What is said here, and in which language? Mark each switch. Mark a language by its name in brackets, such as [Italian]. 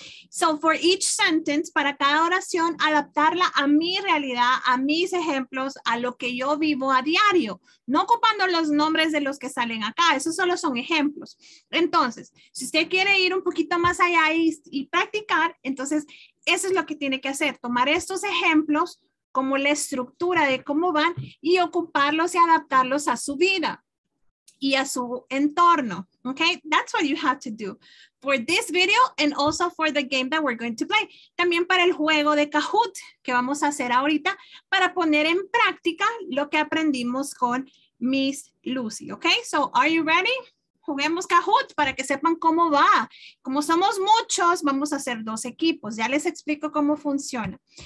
[English] So for each sentence, [Spanish] para cada oración, adaptarla a mi realidad, a mis ejemplos, a lo que yo vivo a diario, no ocupando los nombres de los que salen acá, esos solo son ejemplos. Entonces, si usted quiere ir un poquito más allá y practicar, entonces eso es lo que tiene que hacer, tomar estos ejemplos como la estructura de cómo van y ocuparlos y adaptarlos a su vida y a su entorno. [English] Okay, that's what you have to do for this video and also for the game that we're going to play. [Spanish] También para el juego de Kahoot que vamos a hacer ahorita para poner en práctica lo que aprendimos con Miss Lucy. [English] Okay, so are you ready? [Spanish] Juguemos Kahoot para que sepan cómo va. Como somos muchos, vamos a hacer dos equipos. Ya les explico cómo funciona.